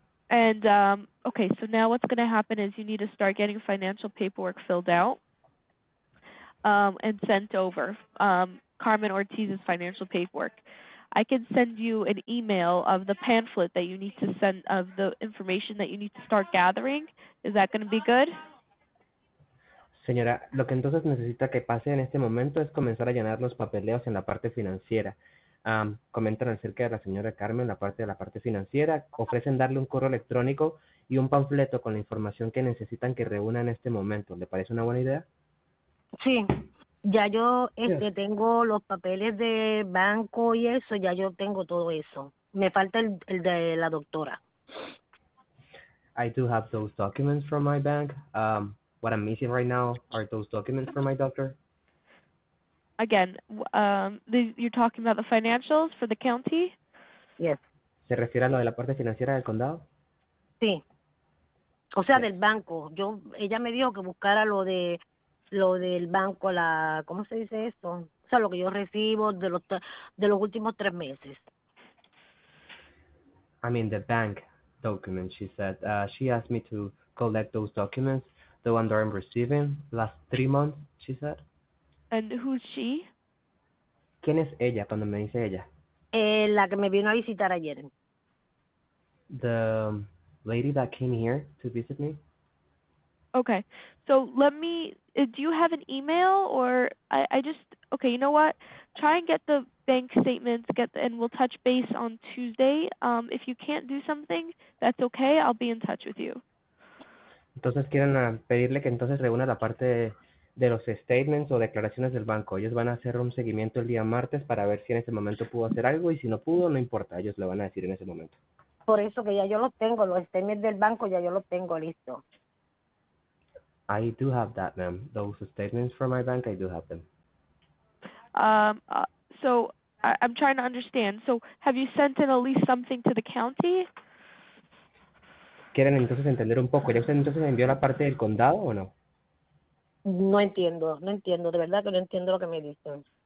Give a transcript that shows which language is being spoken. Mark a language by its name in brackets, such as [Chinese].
[English] And, okay, so now what's going to happen is you need to start getting financial paperwork filled out and sent over, Carmen Ortiz's financial paperwork. I can send you an email of the pamphlet that you need to send, of the information that you need to start gathering. Is that going to be good? [Spanish] Señora, lo que entonces necesita que pase en este momento es comenzar a llenar los papeleos en la parte financiera. Comentan acerca de la señora Carmen la parte financiera, ofrecen darle un correo electrónico y un panfleto con la información que necesitan que reúna en este momento. ¿Le parece una buena idea? Sí, ya yo tengo los papeles de banco y eso, ya yo tengo todo eso. Me falta el de la doctora. [English] I do have those documents from my bank. What I'm missing right now are those documents from my doctor. Again, you're talking about the financials for the county? Yes. [Spanish] ¿Se refiere a lo de la parte financiera del condado? Sí. O sea, yes. Del banco. Ella me dijo que buscara lo del banco, ¿cómo se dice esto? O sea, lo que yo recibo de los últimos 3 meses. [English] I mean the bank document, she said. She asked me to collect those documents, the one that I'm receiving, last 3 months, she said. And who's she? [Spanish] ¿Quién es ella cuando me dice ella? La que me vino a visitar ayer. [English] The lady that came here to visit me. Okay, so do you have an email or, okay, you know what? Try and get the bank statements, and we'll touch base on Tuesday. If you can't do something, that's okay, I'll be in touch with you. [Spanish] Entonces quieren pedirle que entonces reúna la parte de los statements o declaraciones del banco. Ellos van a hacer un seguimiento el día martes para ver si en ese momento pudo hacer algo y si no pudo, no importa, ellos le van a decir en ese momento. Por eso que ya yo lo tengo, los statements del banco ya yo lo tengo listo. [English] I do have that, ma'am. Those statements from my bank, I do have them. I'm trying to understand. So have you sent in at least something to the county? [Spanish] ¿Quieren entonces entender un poco? ¿Ya usted entonces envió la parte del condado o no? No entiendo. De verdad que no entiendo lo que me dicen.